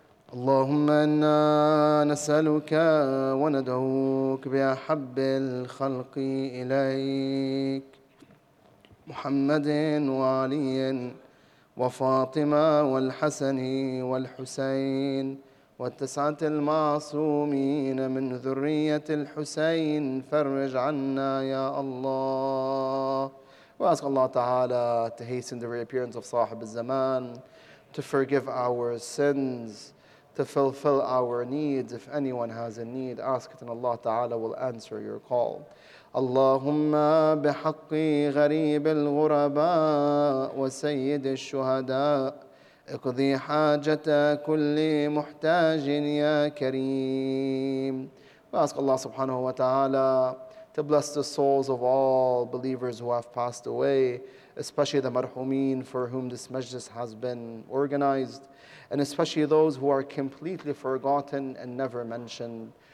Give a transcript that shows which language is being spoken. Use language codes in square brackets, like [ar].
[ar] اللهم إنا نسألك وندعوك بأحب الخلق إليك محمد وعلي وفاطمة والحسن والحسين واتسعة المعصومين من ذرية الحسين فرج عنا يا الله. [en] We ask Allah Ta'ala to hasten the reappearance of Sahib al-Zaman, to forgive our sins, to fulfill our needs. If anyone has a need, ask it and Allah Ta'ala will answer your call. [ar] اللهم بحق غريب الغرباء وسيد الشهداء اقضي حاجة كل محتاج يا كريم. [en] We ask Allah Subhanahu wa Ta'ala to bless the souls of all believers who have passed away, especially the marhumin for whom this majlis has been organized, and especially those who are completely forgotten and never mentioned.